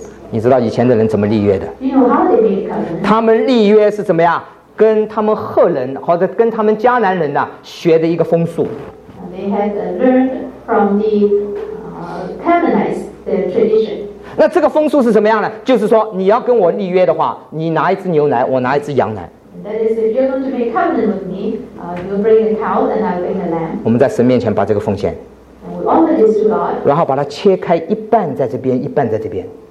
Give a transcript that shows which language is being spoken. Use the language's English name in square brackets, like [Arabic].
[Chinese] 你知道以前的人怎么立约的？ [English] You know how they made covenant? [Chinese] 他们立约是怎么样？跟他们赫人或者跟他们迦南人、啊、学的一个风俗。 [English] They had learned from the Canaanites their tradition. [Chinese] 那这个风俗是什么样呢？就是说你要跟我立约的话，你拿一只牛奶，我拿一只羊奶。 [English] That is, if you're going to make covenant with me, you'll bring a cow and I'll bring a lamb. [Chinese] 我们在神面前把这个奉献。 [English] And we offer this to God. [Chinese] 然后把它切开一半在这边，一半在这边。